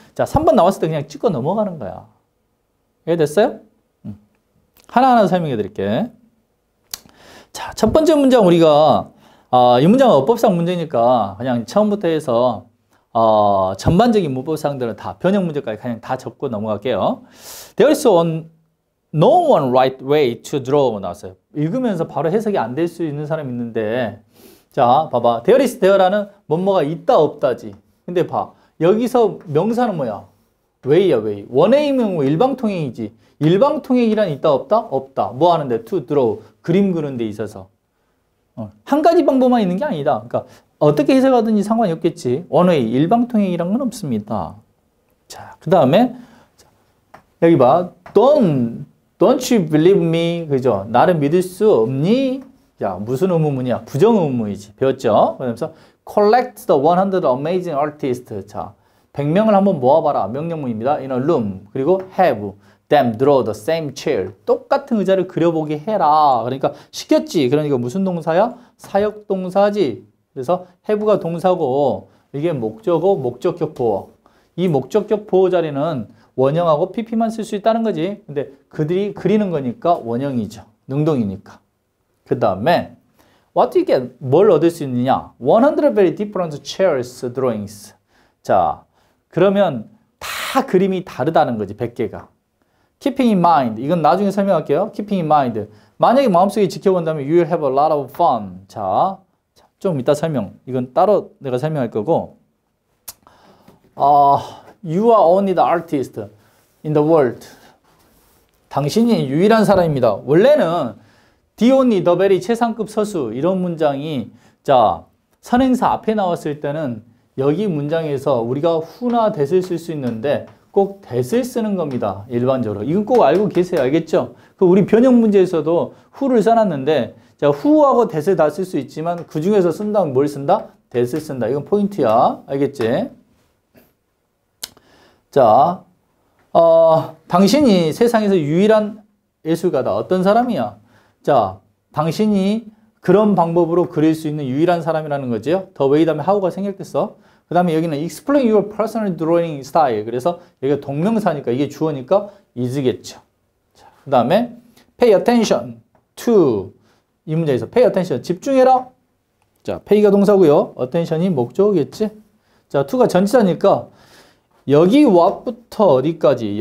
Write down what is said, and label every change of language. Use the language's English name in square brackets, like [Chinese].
[Korean] 자, 3번 나왔을 때 그냥 찍고 넘어가는 거야. 이해 됐어요? 하나하나 설명해 드릴게. 자, 첫 번째 문장 우리가, 이 문장은 어법상 문제니까 그냥 처음부터 해서, 전반적인 문법상들은 다 변형 문제까지 그냥 다 적고 넘어갈게요. [English] There is one No one right way to draw [Korean] 나왔어요. 읽으면서 바로 해석이 안될수 있는 사람 있는데, 자, 봐봐. There is there라는 뭐뭐가 있다 없다지. 근데 봐, 여기서 명사는 뭐야? way야 way. one aim은 일방통행이지. 일방통행이란 있다 없다? 없다. 뭐 하는데? to draw 그림 그는 데 있어서 한 가지 방법만 있는 게 아니다. 그러니까 어떻게 해석하든지 상관이 없겠지. one way 일방통행이란 건 없습니다. 자, 그 다음에 여기 봐, [English] Don't you believe me? [Korean] 그죠? 나를 믿을 수 없니? 자, 무슨 의문문이야? 부정 의문문이지. 배웠죠? 그러면서 [English] collect the 100 amazing artists. [Korean] 자, 100명을 한번 모아봐라. 명령문입니다. [English] In a room. [Korean] 그리고 [English] have them draw the same chair. [Korean] 똑같은 의자를 그려보게 해라. 그러니까 시켰지. 그러니까 무슨 동사야? 사역 동사지. 그래서 have가 동사고 이게 목적어, 목적격 보호. 이 목적격 보호 자리는 원형하고 PP만 쓸수 있다는 거지. 근데 그들이 그리는 거니까 원형이죠. 능동이니까. 그 다음에, [English] what do you get? [Korean] 뭘 얻을 수 있느냐? [English] 100 very different chairs, drawings. [Korean] 자, 그러면 다 그림이 다르다는 거지, 100개가. [English] Keeping in mind. [Korean] 이건 나중에 설명할게요. [English] Keeping in mind. [Korean] 만약에 마음속에 지켜본다면, [English] you'll have a lot of fun. [Korean] 자, 좀 이따 설명. 이건 따로 내가 설명할 거고. [English] You are only the artist in the world. [Korean] 당신이 유일한 사람입니다. 원래는 the only, the very 최상급 서수 이런 문장이 자 선행사 앞에 나왔을 때는 여기 문장에서 우리가 who나 that을 쓸수 있는데 꼭 that을 쓰는 겁니다. 일반적으로. 이건 꼭 알고 계세요. 알겠죠? 그 우리 변형 문제에서도 who를 써놨는데 자 who하고 that을 다쓸수 있지만 그 중에서 쓴다면 뭘 쓴다? that을 쓴다. 이건 포인트야. 알겠지? 자, 당신이 세상에서 유일한 예술가다. 어떤 사람이야? 자, 당신이 그런 방법으로 그릴 수 있는 유일한 사람이라는 거지요. The way 다음에 how가 생략됐어. 그 다음에 여기는 [English] explain your personal drawing style. [Korean] 그래서 여기가 동명사니까 이게 주어니까 is겠죠. 자, 그 다음에 pay attention to 이 문제에서 pay attention 집중해라. 자, pay가 동사고요. attention이 목적어겠지. 자, to가 전치사니까 여기 what부터 어디까지?